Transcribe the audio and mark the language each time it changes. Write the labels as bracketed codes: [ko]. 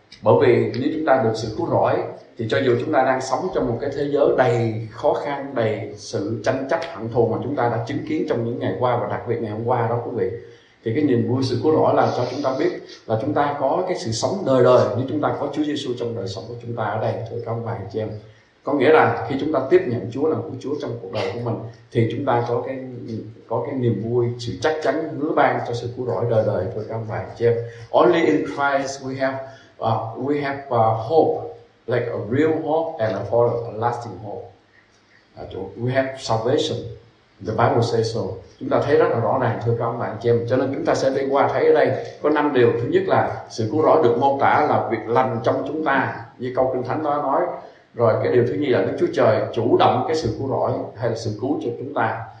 [vi] Bởi vì nếu chúng ta được sự cứu rỗi thì cho dù chúng ta đang sống trong một cái thế giới đầy khó khăn, đầy sự tranh chấp hận thù mà chúng ta đã chứng kiến trong những ngày qua và đặc biệt ngày hôm qua đó quý vị, thì cái niềm vui sự cứu rỗi là cho chúng ta biết là chúng ta có cái sự sống đời đời nếu chúng ta có Chúa Giêsu trong đời sống của chúng ta ở đây, thưa các ông bà anh chị em. Có nghĩa là khi chúng ta tiếp nhận Chúa làm của Chúa trong cuộc đời của mình thì chúng ta có cái niềm vui, sự chắc chắn hứa ban cho sự cứu rỗi đời đời, thưa các ông bà anh chị em. [en] Only in Christ we have hope, like a real hope and a lasting hope. We have salvation. The Bible says so. [vi] Chúng ta thấy rất là rõ ràng, thưa các ông bạn chị em. Cho nên chúng ta sẽ đi qua thấy ở đây có 5 điều. Thứ nhất là sự cứu rỗi được mô tả là việc lành trong chúng ta, như câu kinh thánh đó nói. Rồi cái điều thứ nhì là Đức Chúa Trời chủ động cái sự cứu rỗi hay là sự cứu cho chúng ta.